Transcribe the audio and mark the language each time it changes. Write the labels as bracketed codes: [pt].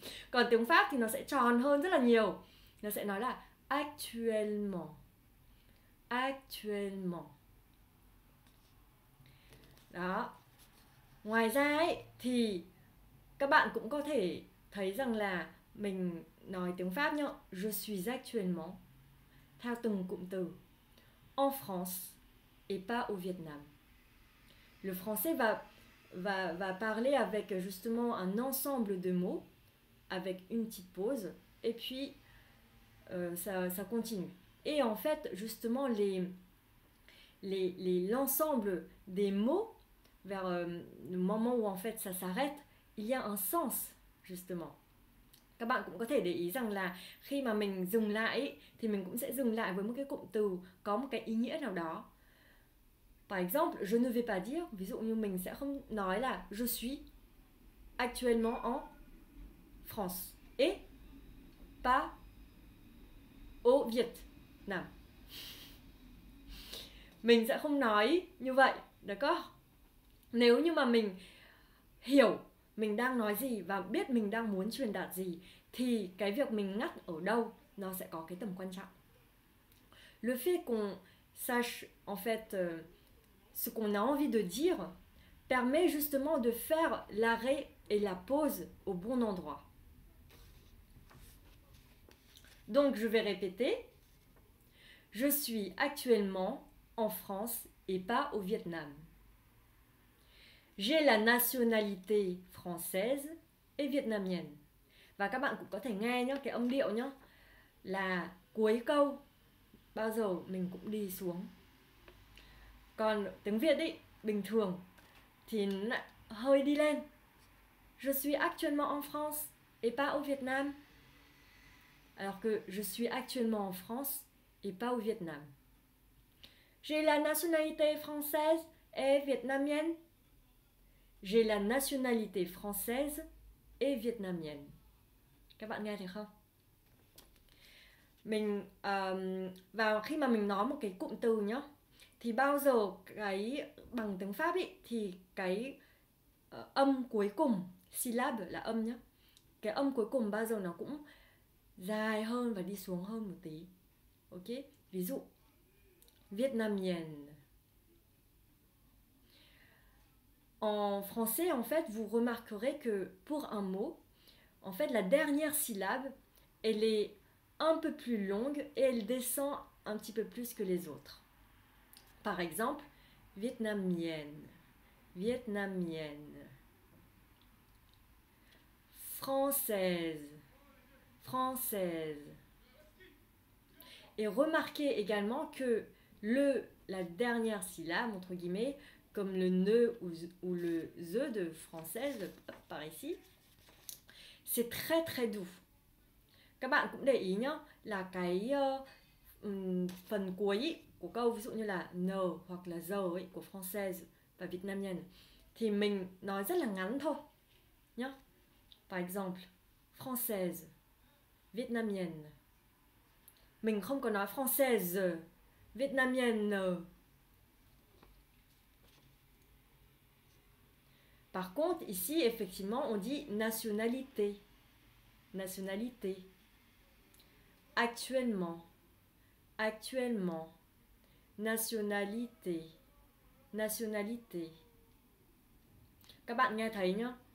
[vi] Còn tiếng Pháp thì nó sẽ tròn hơn rất là nhiều. Nó sẽ nói là actuellement. [fr] Actuellement. [vi] Đó. Ngoài ra ấy thì các bạn cũng có thể thấy rằng là mình nói tiếng Pháp nhá, [fr] je suis actuellement. [vi] theo từng cụm từ. [fr] En France et pas au Vietnam. Le français va parler avec justement un ensemble de mots, avec une petite pause, et puis ça continue. Et en fait, justement, l'ensemble des mots, vers le moment où en fait ça s'arrête, il y a un sens, justement. [vi] Các bạn cũng có thể để ý rằng là khi mà mình dừng lại thì mình cũng sẽ dừng lại với một cái cụm từ có một cái ý nghĩa nào đó. [fr] Par exemple, je ne vais pas dire, [vi] ví dụ như mình sẽ không nói là [fr] je suis actuellement en France et pas au Vietnam. [vi] Mình sẽ không nói như vậy, [fr] d'accord? [vi] Nếu như mà mình hiểu mình đang nói gì và biết mình đang muốn truyền đạt gì thì cái việc mình ngắt ở đâu nó sẽ có cái tầm quan trọng. [fr] Le fait qu'on sache en fait ce qu'on a envie de dire permet justement de faire l'arrêt et la pause au bon endroit. Donc je vais répéter. Je suis actuellement en France et pas au Vietnam. J'ai la nationalité française et vietnamienne. [vi] Và các bạn cũng có thể nghe nhá, cái âm điệu nhá, là cuối câu bao giờ mình cũng đi xuống. Còn tiếng Việt ý, bình thường thì hơi đi lên. [fr] Je suis actuellement en France et pas au Vietnam. Alors que je suis actuellement en France et pas au Vietnam. J'ai la nationalité française et vietnamienne. J'ai la nationalité française et vietnamienne. [vi] Các bạn nghe thấy không? Mình và khi mà mình nói một cái cụm từ nhá, thì bao giờ cái bằng tiếng Pháp ý, thì cái âm cuối cùng, syllabe là âm nhá, cái âm cuối cùng bao giờ nó cũng dài hơn và đi xuống hơn một tí. Ok? Ví dụ vietnamienne. [fr] En français, en fait, vous remarquerez que pour un mot, en fait, la dernière syllabe, elle est un peu plus longue et elle descend un petit peu plus que les autres. Par exemple, vietnamienne, vietnamienne. Française, française. Et remarquez également que la dernière syllabe, entre guillemets, comme le ne ou le the de française, par ici, c'est très très doux. [vi] Các bạn cũng để ý nhá, là cái phần cuối của câu, ví dụ như là ne hoặc là the ấy, của française và vietnamienne, thì mình nói rất là ngắn thôi. Nhá. [fr] Par exemple, française, vietnamienne. [vi] Mình không có nói [fr] française, vietnamienne. Par contre, ici, effectivement, on dit nationalité. Nationalité. Actuellement. Actuellement. Nationalité. Nationalité. [vi] Các bạn nghe thấy nhá.